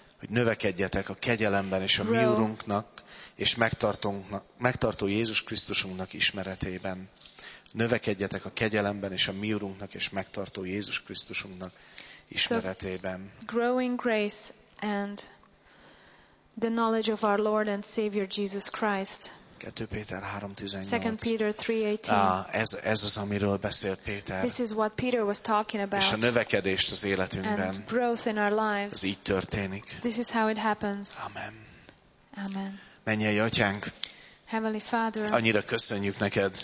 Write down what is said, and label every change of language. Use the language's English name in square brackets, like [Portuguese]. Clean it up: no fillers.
[Hungarian] Hogy növekedjetek a kegyelemben és a mi Urunknak és megtartó Jézus Krisztusunknak ismeretében. Növekedjetek a kegyelemben és a mi Urunknak és megtartó Jézus Krisztusunknak ismeretében. [English] So, growing grace and the knowledge of our Lord and Savior Jesus Christ. [Hungarian] 2 Péter 3:18. [English] 2 Peter 3:18. [Hungarian] Ez az, amiről beszélt Péter. [English] This is what Peter was talking about. [Hungarian] És a növekedést az életünkben. [English] And growth in our lives. [Hungarian] Ez így történik. [English] This is how it happens. Amen. Amen. [Hungarian] Mennyei Atyánk. [English] Heavenly Father. [Hungarian] Annyira köszönjük neked.